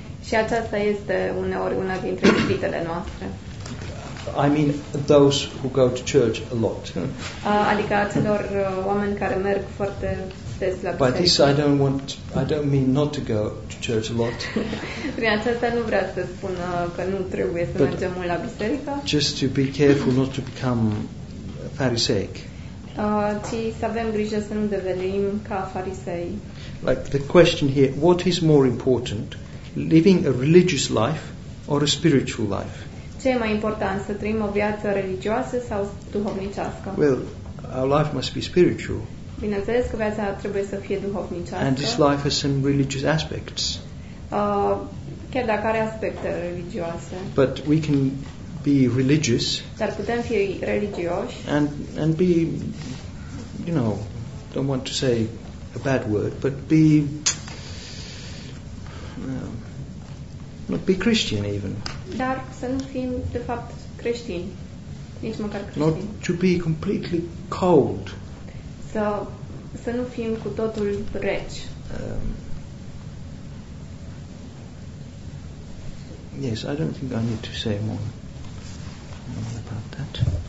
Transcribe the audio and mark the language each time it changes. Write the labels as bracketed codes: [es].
[ro] Și aceasta este uneori una dintre ispitele noastre. [en] I mean those who go to church a lot. [ro] Adică acelor oameni care merg foarte. [en] By this I don't mean not to go to church a lot. [ro] Prin aceasta nu vreau să spun că nu trebuie să mergem mult la biserică. [en] Just to be careful not to become pharisaic. [ro] Ci să avem grijă să nu devenim ca farisei. [en] Like the question here, what is more important, living a religious life or a spiritual life? [ro] Ce e mai important, să trăim o viață religioasă sau duhovnicească? [en] Well, our life must be spiritual. [ro] Bineînțeles că viața trebuie să fie duhovnicească. [en] And this life has some religious aspects. [ro] Chiar dacă are aspecte religioase. [en] But we can be religious. [ro] Dar putem fi religioși. [en] And be, you know, don't want to say a bad word, but be, not be Christian even. [ro] Dar să nu fim de fapt creștini, nici măcar creștini. [en] Not to be completely cold. [ro] Să nu fim cu totul reci. [en] Yes, I don't think I need to say more about that.